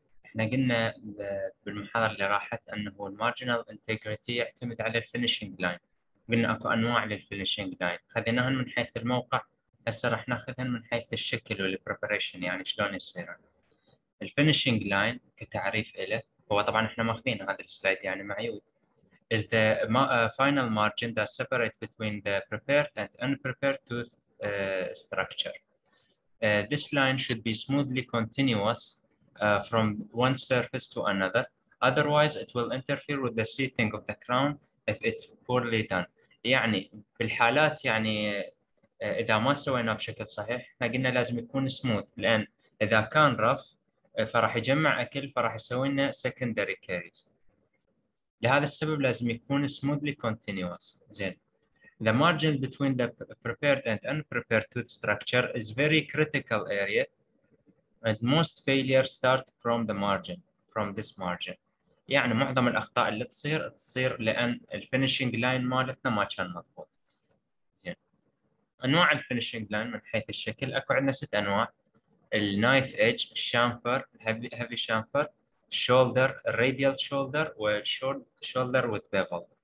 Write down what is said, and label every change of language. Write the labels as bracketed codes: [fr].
[ar] احنا قلنا بالمحاضرة اللي راحت انه هو المارجنال انتجريتي يعتمد على الفينشينج لاين. قلنا اكو انواع للفينشينج لاين، خذيناهن من حيث الموقع، هسه راح ناخذهن من حيث الشكل والبريبريشن، يعني شلون يصيرون. الفينشينج لاين كتعريف له، هو طبعا احنا ماخذين هذا السلايد يعني معيود. [en] Is the final margin that separates between the prepared and unprepared tooth structure. This line should be smoothly continuous from one surface to another. Otherwise, it will interfere with the seating of the crown if it's poorly done. [ar] يعني في الحالات يعني إذا ما سوينا بشكل صحيح، احنا قلنا لازم يكون smooth، لأن إذا كان rough فراح يجمع أكل فراح يسوي لنا secondary caries. لهذا السبب لازم يكون smoothly continuous. زين. [en] The margin between the prepared and unprepared tooth structure is very critical area. And most failures start from the margin, from this margin. [ar] يعني معظم الأخطاء اللي تصير تصير لأن الفينشينج لاين مالتنا ما كان مضبوط. زين. أنواع الفينشينج لاين من حيث الشكل، أكو عندنا ست أنواع. النايف إيج، الشامفر، هيفي شامفر، شولدر، الراديال شولدر، والشورت شولدر وذ بيفل.